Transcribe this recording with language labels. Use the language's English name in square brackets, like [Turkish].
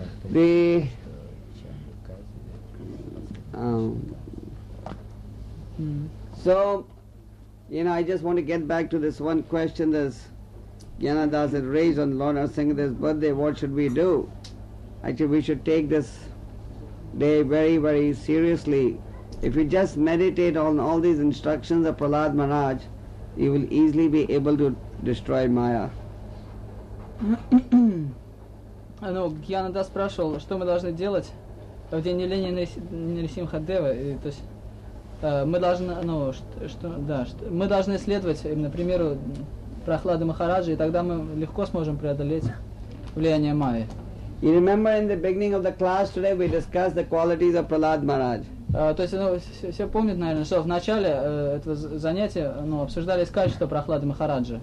[English] The So, you know, I just want to get back to this one question that Gyanadas had raised on Lord Nrisimhadev's birthday. What should we do? Actually, we should take this day very, very seriously. If you just meditate on all these instructions of Prahlad Maharaj, you will easily be able to destroy Maya. [Russian] Ну, Гьянада спрашивал, что мы должны делать в день явления Нрисимхадева. То есть мы должны, ну, мы должны следовать, им, например, Прохлады Махараджи, и тогда мы легко сможем преодолеть влияние Майи. [English] You remember in the beginning of the class today we discussed the qualities of Prahlad Maharaj. [Russian] То есть, все помнят, наверное, что в начале этого занятия, обсуждались качества Прахлады Махараджи.